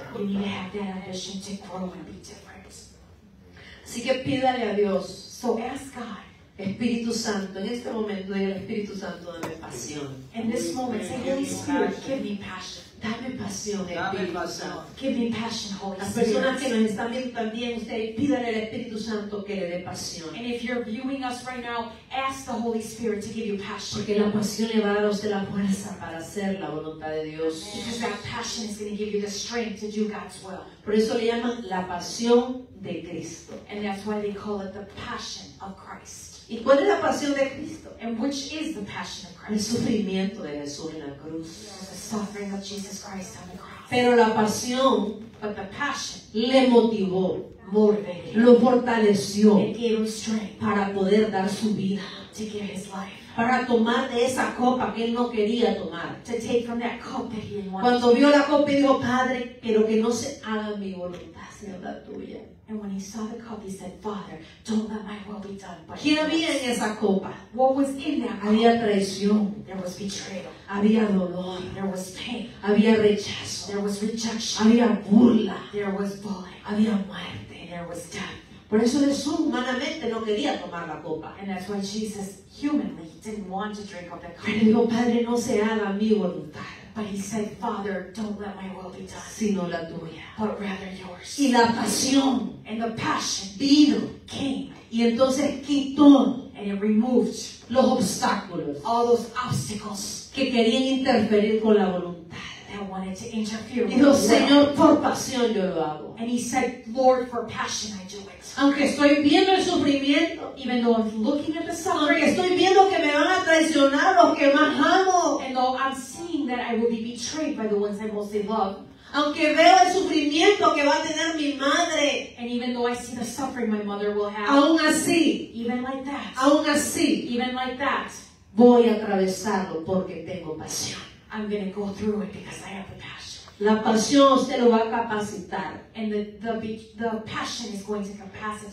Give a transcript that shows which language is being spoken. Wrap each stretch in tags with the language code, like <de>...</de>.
<en>You need to have that ambition to grow and be different.</en> <es>Así que pídale a Dios.</es> <en>So ask God.</en> <es>Espíritu Santo, en este momento el Espíritu Santo dame pasión.</es> <en>In this moment, say, Holy Spirit, give me passion.</en> <es>Dame pasión, Espíritu Santo.</es> <en>Give me passion, Holy Spirit.</en> <es>Las personas que nos están viendo también, ustedes pídanle al Espíritu Santo que le dé pasión.</es> <en>And if you're viewing us right now, ask the Holy Spirit to give you passion.</en> <es>Porque la pasión le va a dar a usted la fuerza para hacer la voluntad de Dios.</es> <en>Because that passion is going to give you the strength to do God's will.</en> <es>Por eso le llaman la pasión de Cristo.</es> <en>And that's why they call it the passion of Christ.</en> <es>¿Y cuál es la pasión de Cristo?</es> <en>And which is the passion of Christ?</en> <es>El sufrimiento de Jesús en la cruz.</es> <en>Yes, the suffering of Jesus Christ on the cross.</en> <es>Pero la pasión,</es> <en>but the passion,</en> <es>le motivó, lo fortaleció,</es> <en>gave him strength,</en> <es>para poder dar su vida,</es> <en>to give his life,</en> <es>para tomar de esa copa que él no quería tomar.</es> <en>To take from that cup that he didn't want.</en> <es>Cuando vio la copa, dijo, Padre, pero que no se haga mi voluntad, sino la tuya.</es> <en>And when he saw the cup, he said, Father, don't let my will be done. But</en> <es>¿quién había en esa copa?</es> <en>What was in that cup?</en> <es>Había traición.</es> <en>There was betrayal.</en> <es>Había dolor.</es> <en>There was pain.</en> <es>Había rechazo.</es> <en>There was rejection.</en> <es>Había burla.</es> <en>There was bullying.</en> <es>Había muerte.</es> <en>There was death.</en> <es>Por eso Jesús humanamente no quería tomar la copa.</es> <en>And that's why Jesus, humanly, didn't want to drink of the cup.</en> <es>Pero dijo, Padre, no se haga mi voluntad.</es> <en>But he said, Father, don't let my will be done,</en> <es>sino la tuya,</es> <en>but rather yours.</en> <es>Y la pasión,</es> <en>and the passion,</en> <es>vino,</es> <en>came,</en> <es>y entonces quitó,</es> <en>and it removed,</en> <es>los obstáculos,</es> <en>all those obstacles,</en> <es>que querían interferir con la voluntad,</es> <en>that wanted to interfere with the will.</en> <es>Y dijo, Señor, por pasión yo lo hago.</es> <en>And he said, Lord, for passion I do it.</en> <es>Aunque estoy viendo el sufrimiento,</es> <en>even though I'm looking at the suffering,</en> <es>aunque estoy viendo que me van a traicionar los que más amo,</es> <en>and though I'm seeing that I will be betrayed by the ones I mostly love,</en> <es>aunque veo el sufrimiento que va a tener mi madre,</es> <en>and even though I see the suffering my mother will have,</en> <es>aún así,</es> <en>even like that,</en> <es>aún así,</es> <en>even like that,</en> <es>voy a atravesarlo porque tengo pasión.</es> <en>I'm going to go through it because I have the passion.</en> <es>La pasión usted lo va a capacitar.</es> <en>And the passion is going to capacitate.</en>